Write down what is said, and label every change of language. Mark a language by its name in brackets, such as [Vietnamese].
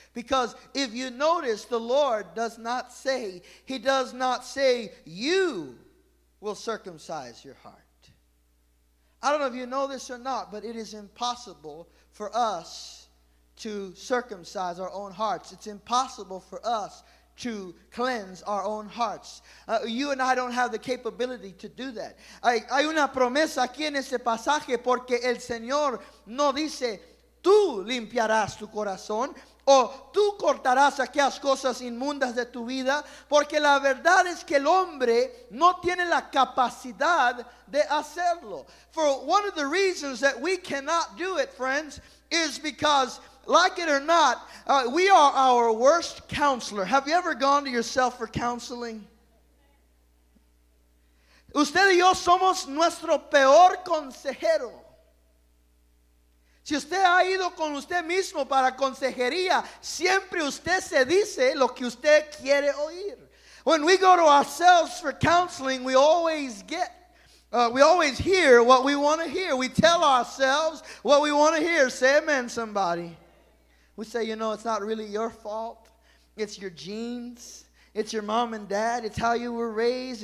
[English] Because if you notice, the Lord does not say, he does not say, you will circumcise your heart. I don't know if you know this or not, but it is impossible for us to circumcise our own hearts. It's impossible for us to cleanse our own hearts. You and I don't have the capability to do that. [Spanish] Hay una promesa aquí en este pasaje porque el Señor no dice, tú limpiarás tu corazón o tú cortarás aquellas cosas inmundas de tu vida, porque la verdad es que el hombre no tiene la capacidad de hacerlo. [English] For one of the reasons that we cannot do it, friends, is because, like it or not, we are our worst counselor. Have you ever gone to yourself for counseling? [Spanish] Usted y yo somos nuestro peor consejero. Si usted ha ido con usted mismo para consejería, siempre usted se dice lo que usted quiere oír. [English] When we go to ourselves for counseling, we always hear what we want to hear. We tell ourselves what we want to hear. Say amen, somebody. We say, you know, it's not really your fault. It's your genes. It's your mom and dad. It's how you were raised.